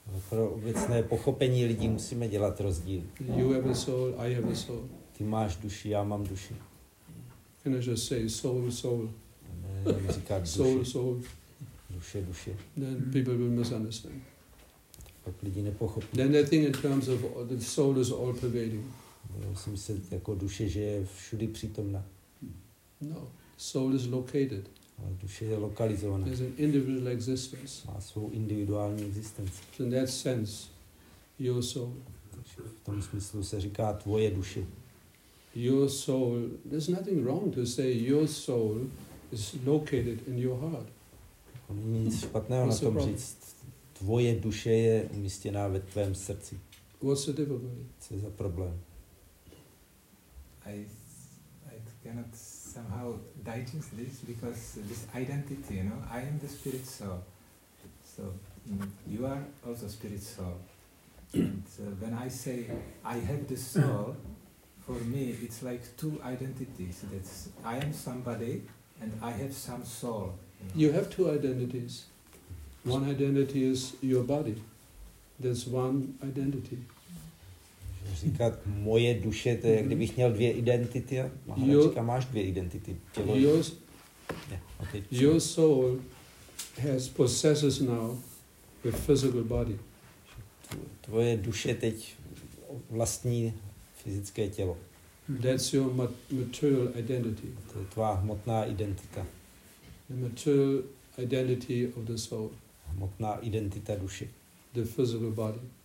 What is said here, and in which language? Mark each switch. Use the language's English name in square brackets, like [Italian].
[Czech] Pro obecné pochopení lidí musíme dělat rozdíl. [English] You have a soul, I have a soul. [Czech] Ty máš duši, já mám duši. [English] Can I just say soul, soul? [Czech] Ne, říkat duši. [English] Soul, soul. [Czech] Duše, duše. [English] Then people will misunderstand. [Czech] Pak lidi nepochopí. [English] Then they think in terms of the soul is all pervading. [Czech] Já si myslím, jako duše, že je všudy přítomná. [English] No, soul is located. [Czech] Ale duše je lokalizovaná. [English] There's an individual existence. [Czech] Má svou individuální existenci. [English] So in that sense, your soul. [Czech] V tom smyslu se říká tvoje duše. [English] Your soul, there's nothing wrong to say your soul is located in your heart. [Czech] Není nic špatného na tom říct. Tvoje duše je umístěná ve tvém srdci. [English] What's the difficulty? [Czech] Co je za problém? [English] I cannot say. Somehow digest this because this identity, you know, I am the spirit soul, so you are also spirit soul. And when I say I have the soul, for me it's like two identities. That's I am somebody and I have some soul. You know? You have two identities. One identity is your body. There's one identity. [Czech] Říkat moje duše, to je, jak kdybych měl dvě identity. Maharačka, máš dvě identity. Tělo je... [English] Your soul has possesses now the physical body. [Czech] Tvoje duše teď vlastní fyzické tělo. [English] That's your material identity. [Czech] To je tvá hmotná identita. [English] The material identity of the soul. [Czech] Hmotná identita duše. [English] The physical body.